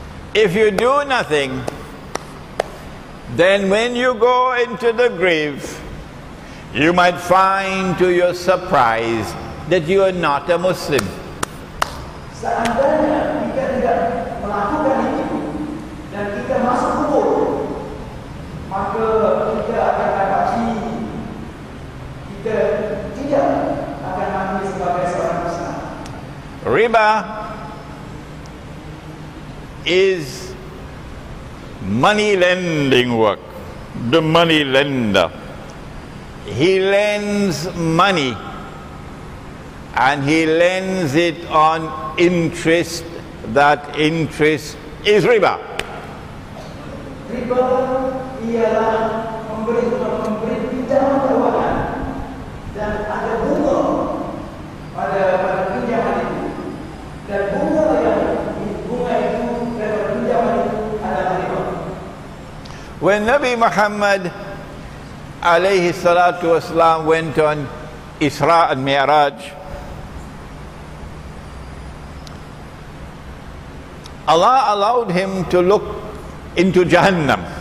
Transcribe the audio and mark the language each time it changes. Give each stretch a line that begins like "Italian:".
English: If you do nothing, then when you go into the grave, you might find to your surprise that you are not a Muslim.
Malay: Seandainya kita tidak melakukan itu dan kita masuk kubur, maka kita akan dapati kita tidak akan mati sebagai seorang Muslim.
English: Riba is money lending work. The money lender. He lends money and he lends it on interest. That interest is riba.
Malay: Riba ialah memberi pinjaman kewangan dan ada bunga pada pinjaman itu. Dan bunga itu pada pinjaman itu adalah riba.
English: When Nabi Muhammad alayhi salatu wasalam went on Isra and Mi'raj, Allah allowed him to look into Jahannam.